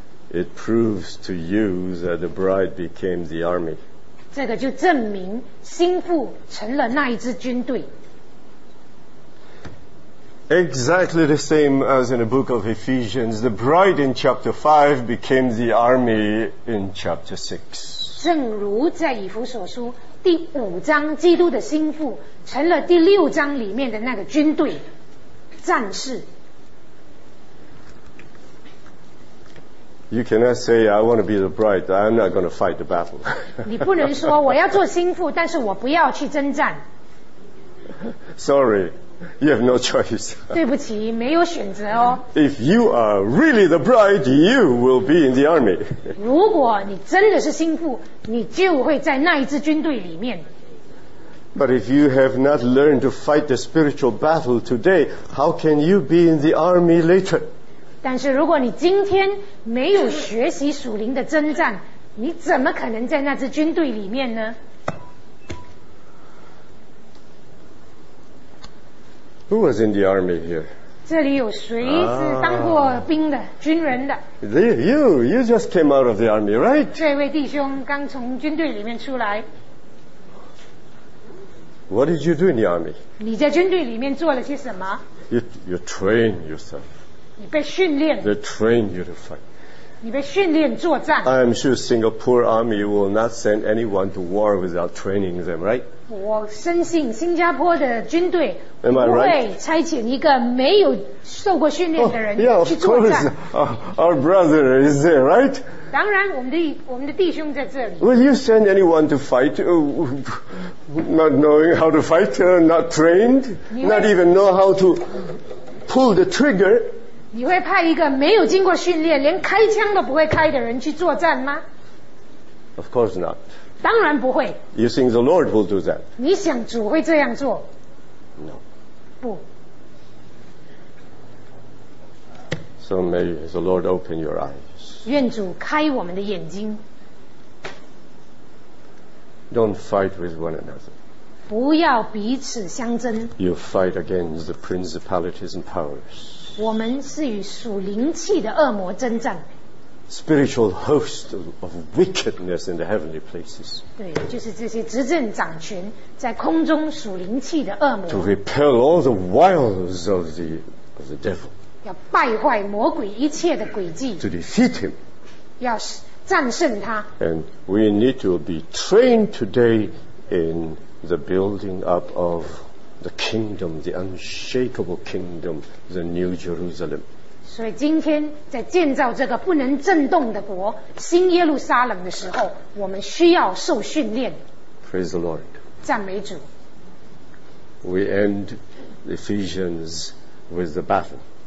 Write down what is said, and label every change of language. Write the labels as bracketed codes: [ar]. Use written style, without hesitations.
[en] It proves to you that the bride became the army. [zh] 这个就证明新妇成了那一支军队。 [en] Exactly the same as in the book of Ephesians, the bride in chapter 5 became the army in chapter 6. [zh] 正如在以弗所书第五章，基督的新妇成了第六章里面的那个军队，战士。 [en] You cannot say, I want to be the bride, I'm not going to fight the battle. [zh] 你不能说我要做新妇，但是我不要去征战。 [en] Sorry, you have no choice. [zh] 对不起，没有选择哦。 [en] If you are really the bride, you will be in the army. [zh] 如果你真的是新妇，你就会在那一支军队里面。 [en] But if you have not learned to fight the spiritual battle today, how can you be in the army later? [zh] 但是如果你今天没有学习属灵的征战，你怎么可能在那支军队里面呢？ [en] Who was in the army here? [zh] 这里有谁是当过兵的、军人的？ [en] You just came out of the army, right? [zh] 这位弟兄刚从军队里面出来。 [en] What did you do in the army? [zh] 你在军队里面做了些什么？ [en] You train yourself. [zh] 你被训练。 [en] They train you to fight. [zh] 你被训练作战。 [en] I'm sure Singapore Army will not send anyone to war without training them, right? [zh] 我深信新加坡的军队 [en] Am I right? [zh] 不会差遣一个没有受过训练的人、 oh, yeah, 去作战。 [en] Of course, our brother is there, right? [zh] 当然，我们的弟兄在这里。 [en] Will you send anyone to fight, not knowing how to fight, not trained, not even know how to pull the trigger? [zh] 你会派一个没有经过训练，连开枪都不会开的人去作战吗？ [en] Of course not. [zh] 当然不会。 [en] You think the Lord will do that? [zh] 你想主会这样做？ [en] No. [zh] 不。 [en] So may the Lord open your eyes. [zh] 愿主开我们的眼睛。 [en] Don't fight with one another. [zh] 不要彼此相争。 [en] You fight against the principalities and powers. [zh] 我们是与属灵气的恶魔征战。 [en] Spiritual host of wickedness in the heavenly places. [zh] 对，就是这些执政掌权在空中属灵气的恶魔。 [en] To repel all the wiles of the devil. [zh] 要败坏魔鬼一切的诡计。 [en] To defeat him. [zh] 要战胜他。 [en] And we need to be trained today in the building up of. The kingdom, the unshakable kingdom, the New Jerusalem. [zh] 所以今天在建造这个不能震动的国，新耶路撒冷的时候，我们需要受训练。 [en] Praise the Lord. [zh] 赞美主。 [en] We end Ephesians with the battle.